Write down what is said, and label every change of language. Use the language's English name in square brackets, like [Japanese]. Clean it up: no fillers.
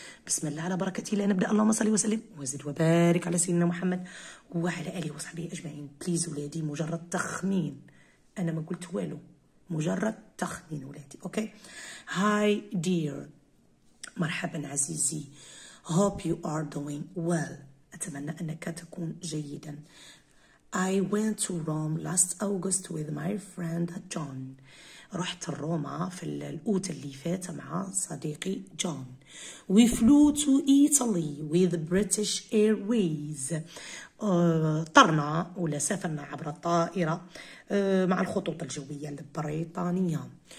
[Arabic] بسم الله على بركة الله نبدأ. اللهم صل وسلم وزد وبارك على سيدنا محمد وعلى آله وصحبه أجمعين. بليز ولادي مجرد تخمين، أنا ما قلت والو، مجرد تخمين ولادي. أوكي، هاي دير، مرحبا عزيزي، [English] hope you are doing well، [Arabic] أتمنى أنك تكون جيدا. [English] I went to Rome last August with my friend John. [Arabic] رحت روما في الأوت اللي فات مع صديقي جون. [English] We flew to Italy with British Airways. [Arabic] طرنا ولا سافرنا عبر الطائرة مع الخطوط الجوية البريطانية.